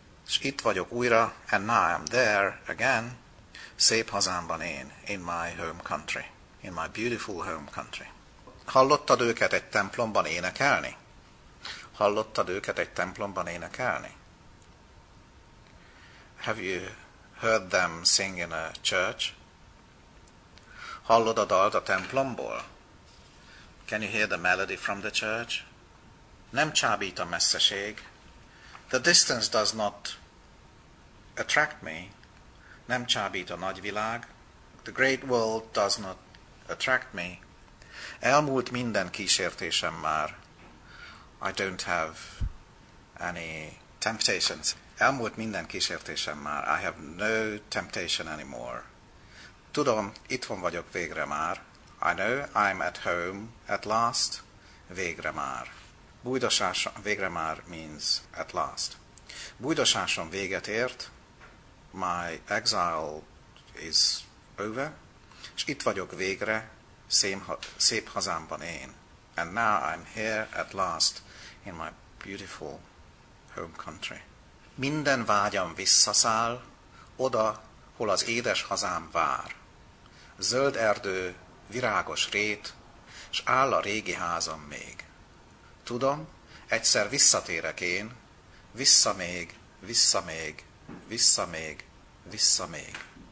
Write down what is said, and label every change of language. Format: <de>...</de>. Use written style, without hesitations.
<hu>S itt vagyok újra,</hu> <en>and now I'm there again.</en> <hu>Szép hazámban én,</hu> <en>in my home country, in my beautiful home country.</en> <hu>Hallottad őket egy templomban énekelni? Hallottad őket egy templomban énekelni?</hu> <en>Have you heard them sing in a church?</en> <hu>Hallod a dalt a templomból?</hu> <en>Can you hear the melody from the church?</en> <hu>Nem csábít a messzeség.</hu> <en>The distance does not attract me.</en> <hu>Nem csábít a nagyvilág.</hu> <en>The great world does not attract me.</en> <hu>Elmúlt minden kísértésem már.</hu> <en>I don't have any temptations.</en> <hu>Elmúlt minden kísértésem már.</hu> <en>I have no temptation anymore.</en> <hu>Tudom, itthon vagyok végre már.</hu> <en>I know I'm at home at last.</en> <hu>Végre már. Bújdosásom végre már</hu> <en>means at last.</en> <hu>Bújdosásom véget ért.</hu> <en>My exile is over.</en> <hu>És itt vagyok végre. Szép hazámban én.</hu> <en>And now I'm here at last in my beautiful home country.</en> <hu>Minden vágyam visszaszáll, oda, hol az édes hazám vár. Zöld erdő, virágos rét, s áll a régi házam még. Tudom, egyszer visszatérek én, vissza még, vissza még, vissza még, vissza még.</hu>